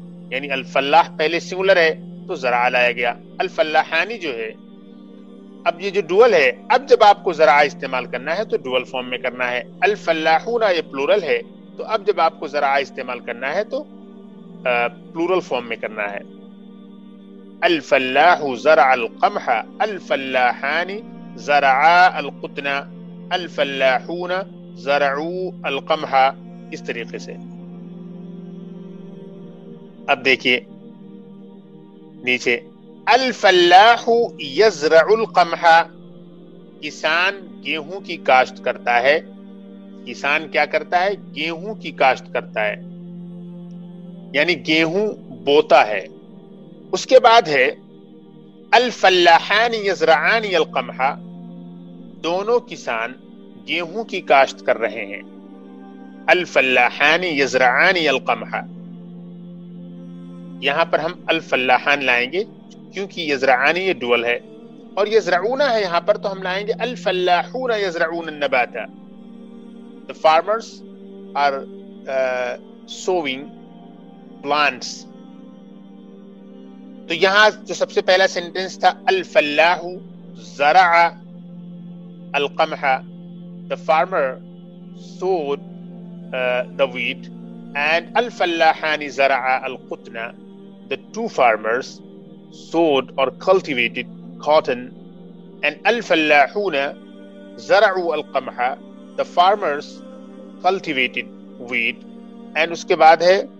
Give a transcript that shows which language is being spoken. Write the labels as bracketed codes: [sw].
[ur] یعنی الفلاح پہلے سنگولر ہے تو زرعا لایا گیا, الفلاحانی جو ہے اب یہ جو ڈوئل ہے, اب جب آپ کو زرعا استعمال کرنا ہے تو ڈوئل فارم میں کرنا ہے. الفلاحونا یہ پلورل ہے, تو اب جب آپ کو زرعا استعمال کرنا ہے تو پلورل فارم میں کرنا ہے. [ar] الفلاح زرع القمح, الفلاحان زرعا القطن, الفلاحون زرعوا القمح, [ur] اس طریقے سے. اب دیکھیے نیچے [ar] الفلاح یزرع القمح, [ur] کسان گیہوں کی کاشت کرتا ہے. کسان کیا کرتا ہے؟ گیہوں کی کاشت کرتا ہے, یعنی گیہوں بوتا ہے. اس کے بعد ہے [ar] الفلاحان یزرعان القمح, [ur] دونوں کسان گیہوں کی کاشت کر رہے ہیں. [ar] الفلاحان یزرعان القمح, [ur] یہاں پر ہم الفلاحان لائیں گے کیونکہ یزرعان یہ ڈوئل ہے, اور یزرعون ہے یہاں پر, تو ہم لائیں گے [ar] الفلاحون یزرعون النباتا. [en] The farmers are sowing plants. [ur] تو یہاں جو سب سے پہلا سینٹینس تھا [ar] الفلاح زرع القمح, [en] the farmer sowed the wheat, and [ar] الفلاحان زرع القطن, [en] the two farmers sowed or cultivated cotton, and [ar] الفلاحون زرعوا القمح, [en] the farmers cultivated wheat, and [ur] اس کے بعد ہے